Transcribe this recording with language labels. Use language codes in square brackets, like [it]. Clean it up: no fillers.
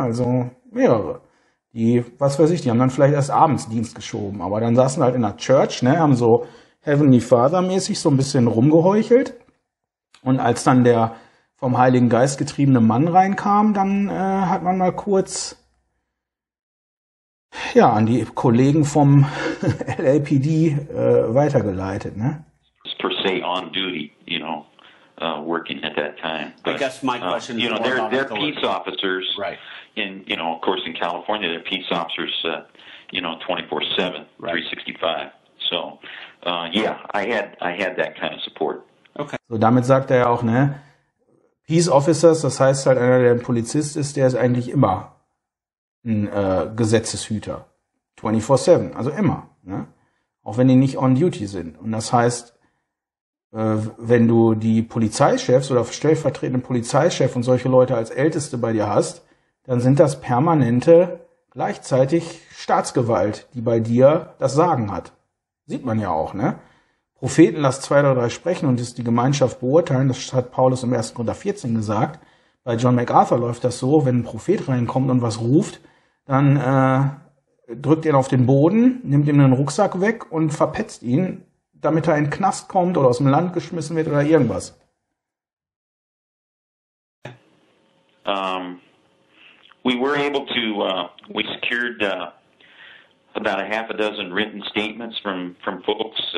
[de] Also mehrere. Die, was weiß ich, die haben dann vielleicht erst abends Dienst geschoben, aber dann saßen halt in der Church, ne, haben so Heavenly Father-mäßig so ein bisschen rumgeheuchelt Und als dann der vom Heiligen Geist getriebene Mann reinkam, dann hat man mal kurz ja an die Kollegen vom LAPD weitergeleitet, ne? [en] Per se on duty, you know, working at that time. But, I guess my question is, you know, they're peace officers, right? In, you know, of course, in California, they're peace officers, you know, 24/7, right. 365. So, yeah, I had that kind of support. [de] Okay. So damit sagt er auch, ne? Peace officers, das heißt halt einer, der ein Polizist ist, der ist eigentlich immer ein Gesetzeshüter. 24/7, also immer. Ne? Auch wenn die nicht on duty sind. Und das heißt, wenn du die Polizeichefs oder stellvertretenden Polizeichef und solche Leute als Älteste bei dir hast, dann sind das permanente, gleichzeitig Staatsgewalt, die bei dir das Sagen hat. Sieht man ja auch, ne? Propheten, lass zwei oder drei sprechen und ist die Gemeinschaft beurteilen. Das hat Paulus im 1. Korinther 14 gesagt. Bei John MacArthur läuft das so, wenn ein Prophet reinkommt und was ruft, dann drückt er ihn auf den Boden, nimmt ihm den Rucksack weg und verpetzt ihn, damit er in den Knast kommt oder aus dem Land geschmissen wird oder irgendwas. [en] We were able to, we secured about a half a dozen written statements from folks.